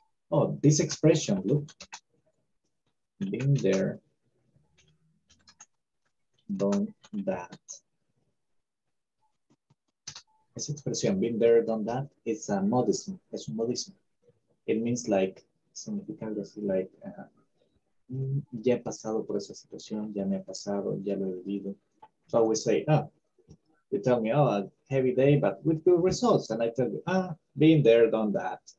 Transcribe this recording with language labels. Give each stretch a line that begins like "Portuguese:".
English: Oh, this expression, look. Been there, done that.
Spanish: Esa expresión,
English: been there, done that, it's a modism.
Spanish: Es un modismo.
English: It means like,
Spanish: significa algo así, like, ya he pasado por esa situación, ya me ha pasado, ya lo he vivido.
English: So I always say, oh, you tell me, oh, a heavy day, but with good results. And I tell you, ah, been there, done that.